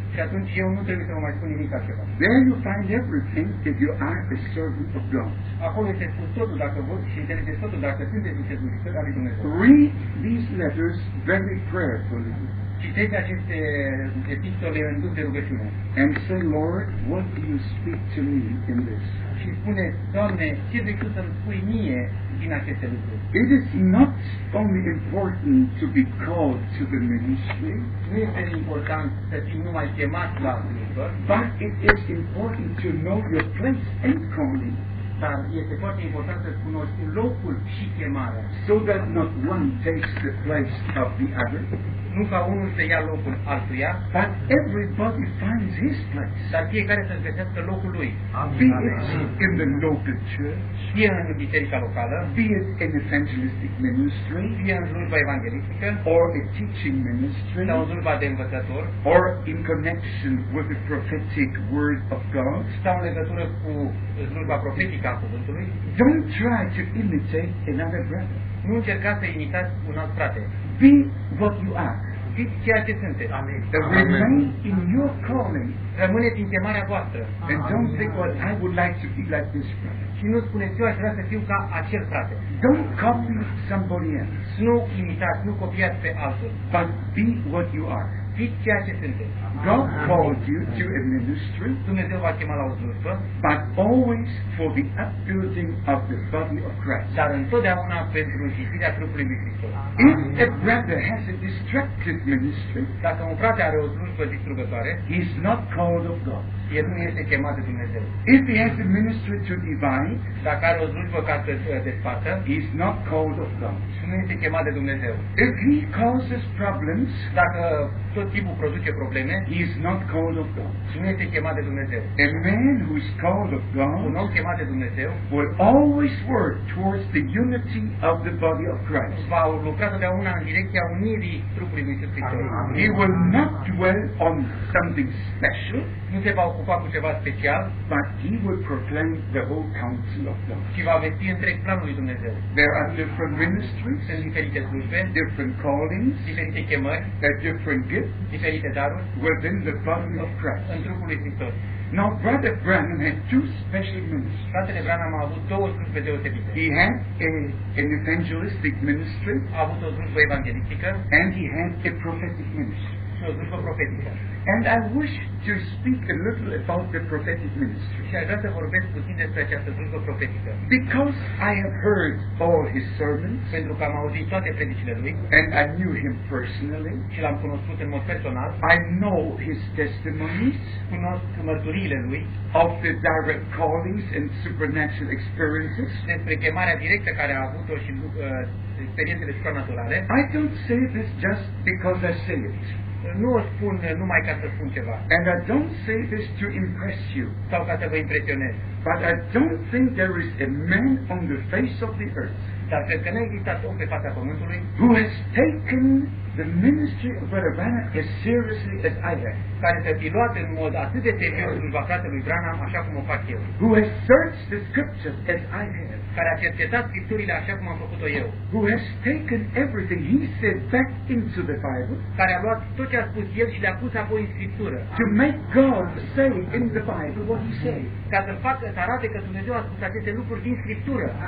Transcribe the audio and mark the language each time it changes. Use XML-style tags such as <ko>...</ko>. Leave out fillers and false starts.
<ro>Și atunci eu nu trebuie să mă mai spun nimic altceva.</ro> <en>There you find everything if you are a servant of God.</en> <ro>Acolo este spus totul dacă vă și înțelegeți totul dacă sunteți un servitor al lui Dumnezeu.</ro> <en>Read these letters very prayerfully.</en> <ro>Citeți aceste epistole în dulce rugăciune.</ro> <en>And say, Lord, what do you speak to me in this?</en> <ro>Și spune, Doamne, ce vrei tu să-mi spui mie din aceste lucruri?</ro> <en>It is not only important to be called to the ministry.</en> <ro>Nu este important să fii numai chemat la slujbă.</ro> <en>But it is important to know your place and calling.</en> <ro>Dar este foarte important să cunoști locul și chemarea.</ro> <en>So that not one takes the place of the other.</en> <ro>Nu ca unul să ia locul altuia,</ro> <en>but everybody finds his place.</en> <ro>Dar fiecare să-și găsească locul lui.</ro> <en>Be it in the local church,</en> <ro>fie în biserica locală,</ro> <en>be it in evangelistic ministry,</en> <ro>fie în slujba evanghelistică,</ro> <en>or a teaching ministry,</en> <ro>sau în slujba de învățător,</ro> <en>or in connection with the prophetic word of God,</en> <ro>sau în legătură cu slujba profetică a cuvântului.</ro> <en>Don't try to imitate another brother.</en> <ro>Nu încerca să imitați un alt frate.</ro> <en>Be what you are.</en> <ro>fiți ceea ce sunteți. Amen.</ro> <en>Remain in your calling.</en> <ro>Rămâneți în chemarea voastră.</ro> <en>And don't say, well, I would like to be like this friend.</en> <ro>Și nu spuneți, eu aș vrea să fiu ca acel frate.</ro> <en>Don't copy somebody else.</en> <ro>Nu imitați, nu copiați pe altul.</ro> <en>But be what you are.</en> <ro>Fiți ceea ce sunteți.</ro> <en>God called you to a ministry.</en> <ro>Dumnezeu v-a chemat la o slujbă.</ro> <en>But always for the upbuilding of the body of Christ.</en> <ro>Dar întotdeauna pentru zidirea trupului lui Hristos.</ro> <en>If a brother has a destructive ministry,</en> <ro>dacă un frate are o slujbă distrugătoare,</ro> <en>he's not called of God.</en> <ro>El nu este chemat de Dumnezeu.</ro> <en>If he has a ministry to divide,</en> <ro>dacă are o slujbă ca să despartă,</ro> <en>he's not called of God.</en> <ro>Nu este chemat de Dumnezeu.</ro> <en>If he causes problems,</en> <ro>dacă tot timpul produce probleme,</ro> <en>he is not called of God.</en> <ro>Nu este chemat de Dumnezeu.</ro> <en>A man who is called of God,</en> <ro>un om chemat de Dumnezeu,</ro> <en>will always work towards the unity of the body of Christ.</en> <ro>Va lucra totdeauna în direcția unirii trupului lui Iisus Hristos.</ro> <en>He will not dwell on something special,</en> <ro>nu se va ocupa cu ceva special,</ro> <en>but he will proclaim the whole counsel of God.</en> <ro>Și va vesti întreg planul lui Dumnezeu.</ro> <en>There are different ministries,</en> <ro>sunt diferite slujbe,</ro> <en>different callings,</en> <ro>diferite chemări,</ro> <en>different gifts,</en> <ro>diferite daruri,</ro> <en>within the body of Christ.</en> <ro>În trupul lui Hristos.</ro> <en>Now Brother Branham had two special ministries.</en> <ro>Fratele Branham a avut două slujbe deosebite.</ro> <en>He had an evangelistic ministry.</en> <ro>A avut o slujbă evanghelistică.</ro> <en>And he had a prophetic ministry.</en> <ro>Și o slujbă profetică.</ro> <en>And I wish to speak a little about the prophetic ministry.</en> <ro>Și aș vrea să vorbesc puțin despre această slujbă profetică.</ro> <en>Because I have heard all his sermons.</en> <ro>Pentru că am auzit toate predicile lui.</ro> <en>And I knew him personally.</en> <ro>Și l-am cunoscut în mod personal.</ro> <en>I know his testimonies.</en> <ro>Cunosc mărturiile lui.</ro> <en>Of the direct callings and supernatural experiences.</en> <ro>Despre chemarea directă care a avut-o și experiențele supranaturale.</ro> <en>I don't say this just because I say it.</en> <ro>Nu o spun numai ca să spun ceva.</ro> <en>And I don't say this to impress you.</en> <ro>Sau ca să vă impresionez.</ro> <en>But I don't think there is a man on the face of the earth.</en> <ro>Dar cred că nu există om pe fața pământului.</ro> <en>Who has taken the ministry of Brother Branham as seriously as I have.</en> <ro>Care să fi luat în mod atât de serios slujba fratelui Branham așa cum o fac eu.</ro> <en>Who has searched the scriptures as I have.</en> <ro>Care a cercetat scripturile așa cum am făcut-o eu.</ro> <en>Who has taken everything he said back into the Bible.</en> <ro>Care a luat tot ce a spus el și l-a pus apoi în scriptură.</ro> <en>To make God say in the Bible what he said.</en> <ro>Ca să facă, să arate că Dumnezeu a spus aceste lucruri din scriptură.</ro>